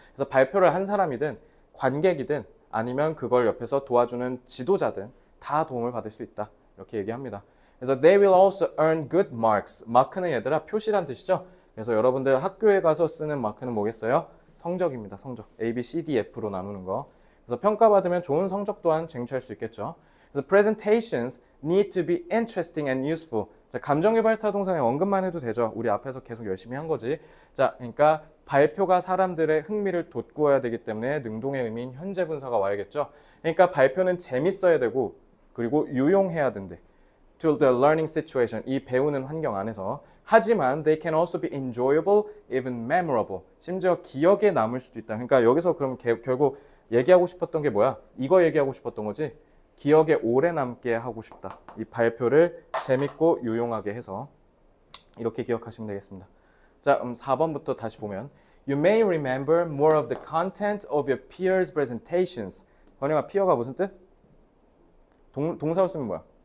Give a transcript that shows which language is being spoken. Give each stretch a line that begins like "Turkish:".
Korean: 그래서 발표를 한 사람이든 관객이든 아니면 그걸 옆에서 도와주는 지도자든 다 도움을 받을 수 있다. 이렇게 얘기합니다. 그래서
English: they will also earn good marks.
Korean: 마크는 얘들아 표시란 뜻이죠. 그래서 여러분들 학교에 가서 쓰는 마크는 뭐겠어요? 성적입니다. 성적. A, B, C, D, F로 나누는 거. 그래서 평가받으면 좋은 성적 또한 쟁취할 수 있겠죠. 그래서
English: presentations need to be interesting and useful.
Korean: 자, 감정유발타 동사는 언급만 해도 되죠. 우리 앞에서 계속 열심히 한 거지. 자, 그러니까 발표가 사람들의 흥미를 돋구어야 되기 때문에 능동의 의미인 현재 분사가 와야겠죠. 그러니까 발표는 재밌어야 되고 그리고 유용해야 된대.
English: To the learning situation,
Korean: 이 배우는 환경 안에서. 하지만
English: they can also be enjoyable, even memorable.
Korean: 심지어 기억에 남을 수도 있다. 그러니까 여기서 그럼 결국 얘기하고 싶었던 게 뭐야? 이거 얘기하고 싶었던 거지. 기억에 오래 남게 하고 싶다. 이 발표를 재밌고 유용하게 해서 이렇게 기억하시면 되겠습니다. 자, 4번부터 다시 보면
English: You may remember more of the content of your peers' presentations.
Korean: 번역아, peer가 무슨 뜻? 동사로 쓰면 뭐야?